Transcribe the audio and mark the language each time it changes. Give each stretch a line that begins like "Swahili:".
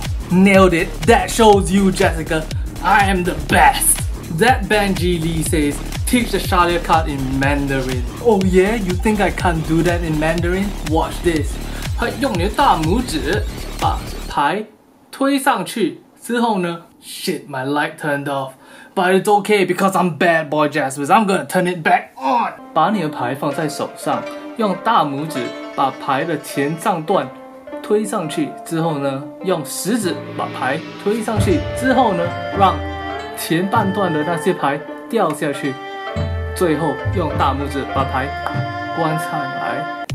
English: Nailed it. That shows you, Jessica, I am the best. That Benji Lee says, teach the Shalia cut in Mandarin. Oh yeah, you think I can't do that in Mandarin? Watch this.
Chinese: 用你的大拇指把牌推上去之后呢?
English: Shit, my light turned off. But it's okay because I'm Bad Boy Jaspas. I'm gonna turn it back on.
Chinese: 把你的牌放在手上，用大拇指把牌的前上段推上去之后呢，用食指把牌推上去之后呢，让前半段的那些牌掉下去。最后用大拇指把牌关上来。